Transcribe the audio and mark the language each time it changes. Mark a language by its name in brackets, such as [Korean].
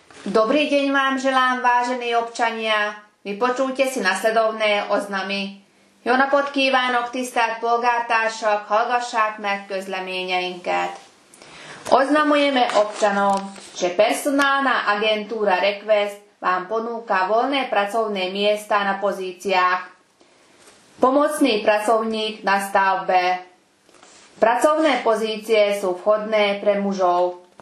[Slovak] Dobrý deň vám želám, vážení občania. Vypočujte si nasledovné oznamy. [Hungarian] Jó napot kívánok, tisztelt polgártársak, hallgassák meg közleményeinket. [Slovak] Oznamujeme občanom, že personálna agentúra Request vám ponúka voľné pracovné miesta na pozíciách. Pomocný pracovník na stavbe. Pracovné pozície sú vhodné pre mužov.